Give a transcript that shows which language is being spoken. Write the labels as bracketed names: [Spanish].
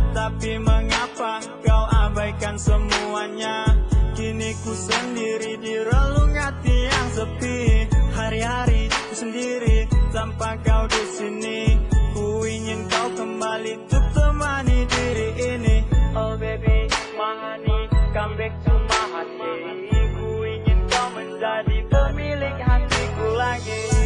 [Indonesian] Tapi mengapa kau abaikan semuanya? Kini ku sendiri di relung hati yang sepi. Hari-hari ku sendiri tanpa kau di sini. Ku ingin kau kembali untuk temani diri ini. [English] Oh baby, mahani, come back to my heart. [Indonesian] Ku ingin kau menjadi pemilik hatiku lagi.